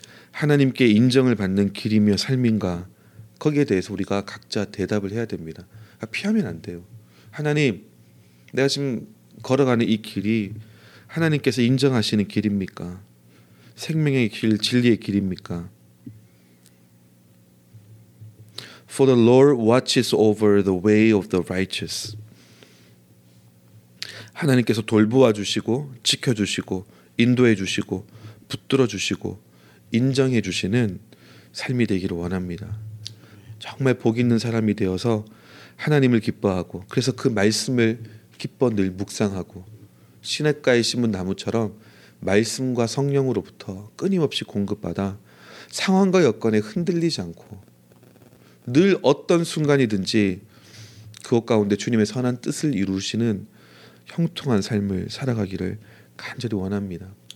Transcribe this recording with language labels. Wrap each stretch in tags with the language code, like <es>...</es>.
<ko>하나님께 인정을 받는 길이며 삶인가, 거기에 대해서 우리가 각자 대답을 해야 됩니다. 피하면 안 돼요. 하나님, 내가 지금 걸어가는 이 길이 하나님께서 인정하시는 길입니까? 생명의 길, 진리의 길입니까?</ko> <en>For the Lord watches over the way of the righteous.</en> <ko>하나님께서 돌보아 주시고 지켜 주시고 인도해 주시고 붙들어 주시고 인정해 주시는 삶이 되기를 원합니다. 정말 복 있는 사람이 되어서 하나님을 기뻐하고 그래서 그 말씀을 기뻐 늘 묵상하고 시냇가에 심은 나무처럼 말씀과 성령으로부터 끊임없이 공급받아 상황과 여건에 흔들리지 않고 늘 어떤 순간이든지 그것 가운데 주님의 선한 뜻을 이루시는 형통한 삶을 살아가기를 간절히 원합니다.</ko>